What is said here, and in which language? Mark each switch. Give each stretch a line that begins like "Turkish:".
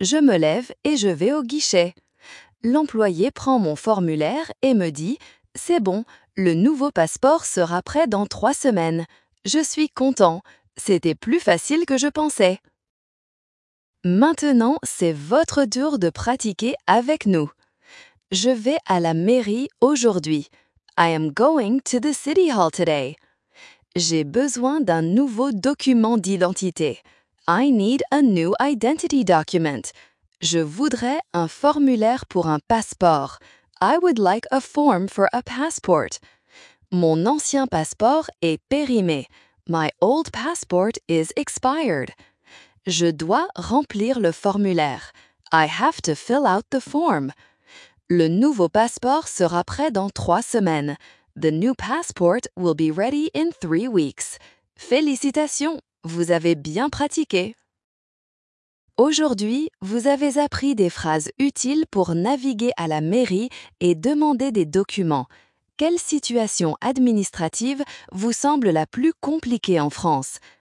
French: Je me lève et je vais au guichet. L'employé prend mon formulaire et me dit « C'est bon, le nouveau passeport sera prêt dans 3 semaines. Je suis content. C'était plus facile que je pensais. » Maintenant, c'est votre tour de pratiquer avec nous. Je vais à la mairie aujourd'hui.
English: I am going to the city hall today.
French: J'ai besoin d'un nouveau document d'identité.
English: I need a new identity document.
French: Je voudrais un formulaire pour un passeport.
English: I would like a form for a passport.
French: Mon ancien passeport est périmé.
English: My old passport is expired.
French: Je dois remplir le formulaire.
English: I have to fill out the form.
French: Le nouveau passeport sera prêt dans 3 semaines.
English: The new passport will be ready in 3 weeks.
French: Félicitations, vous avez bien pratiqué. Aujourd'hui, vous avez appris des phrases utiles pour naviguer à la mairie et demander des documents. Quelle situation administrative vous semble la plus compliquée en France?